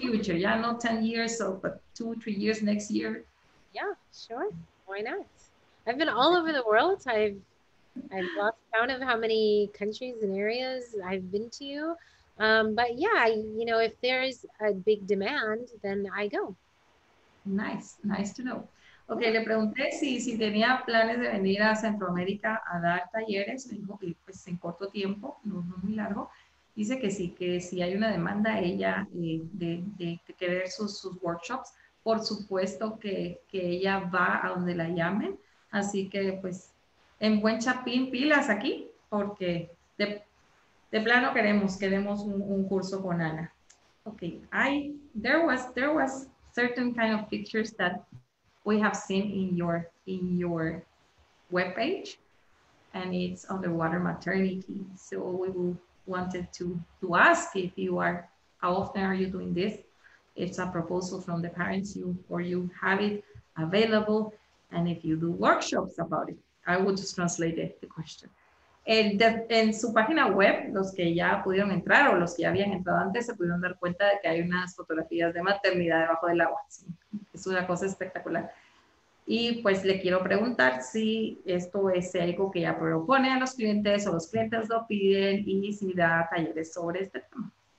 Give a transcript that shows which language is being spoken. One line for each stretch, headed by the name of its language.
English: future, yeah, not 10 years, so but 2 or 3 years next year. Yeah, sure. Why not? I've been all over the world. I've lost count of how many countries and areas I've been to you. But yeah, if there's a big demand, then I go. Nice to know.
Spanish: Ok, le pregunté si tenía planes de venir a Centroamérica a dar talleres. Me dijo que pues en corto tiempo, no, no muy largo. Dice que si hay una demanda ella de querer sus workshops, por supuesto que ella va a donde la llamen. Así que pues en buen chapín pilas aquí, porque de plano queremos un curso con Ana.
English: Ok, there was certain kind of pictures that we have seen in your webpage, and it's underwater maternity. So we will wanted to ask if you are how often are you doing this? It's a proposal from the parents you have it available, and if you do workshops about it. I will just translate the question.
Spanish: En su página web, los que ya pudieron entrar o los que ya habían entrado antes se pudieron dar cuenta de que hay unas fotografías de maternidad debajo del agua. Sí, es una cosa espectacular. Y pues le quiero preguntar si esto es algo que ya propone a los clientes o los clientes lo piden y si da talleres sobre este tema.